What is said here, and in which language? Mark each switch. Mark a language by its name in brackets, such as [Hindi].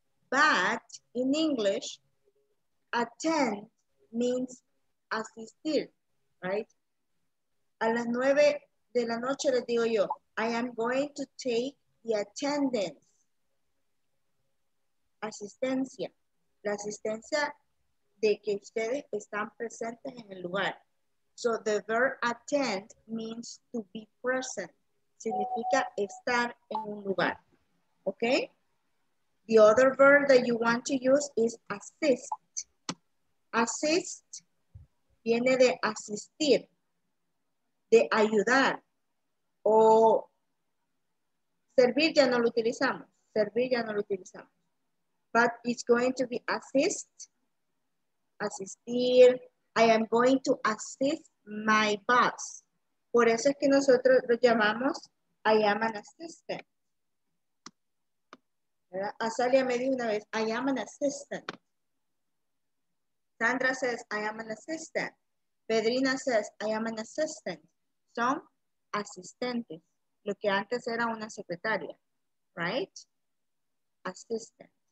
[English] But in English, attend means asistir, right? [Spanish] A las 9 de la noche les digo yo, [English] I am going to take the attendance. [Spanish] Asistencia. La asistencia de que ustedes están presentes en el lugar. [English] So the verb attend means to be present. [Spanish] Significa estar en un lugar. Okay? [English] The other verb that you want to use is assist. [Spanish] Assist viene de asistir, de ayudar, o servir ya no lo utilizamos, servir ya no lo utilizamos. [English] But it's going to be assist, asistir, I am going to assist my boss. [Spanish] Por eso es que nosotros lo llamamos, [English] I am an assistant. [Spanish] ¿Verdad? [English] Azalia [Spanish] me dijo una vez, [English] I am an assistant. Sandra says, I am an assistant. [Spanish] Pedrina [English] says, I am an assistant. [Spanish] Son asistentes, lo que antes era una secretaria, right? Assistant.